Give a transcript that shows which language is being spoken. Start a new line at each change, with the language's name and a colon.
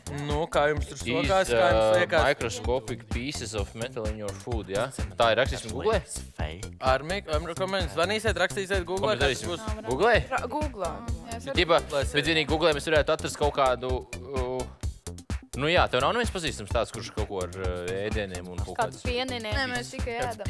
Latvian: Nu, kā jums tur sokās, kā jums liekas?
English: Microscopic pieces of metal in your food, jā?
Latvian: Tā arī rakstīsim Google? Armi, zvanīsiet, rakstīsiet Google? Ko mēs darīsim? Google? Google. Bet vienīgi Google mēs varētu atrast kaut kādu... Nu jā, tev nav neviens pazīstams tāds, kurš kaut ko ar ēdieniem un kaut kāds... pieninieks. Nē, mēs tikai ēdam.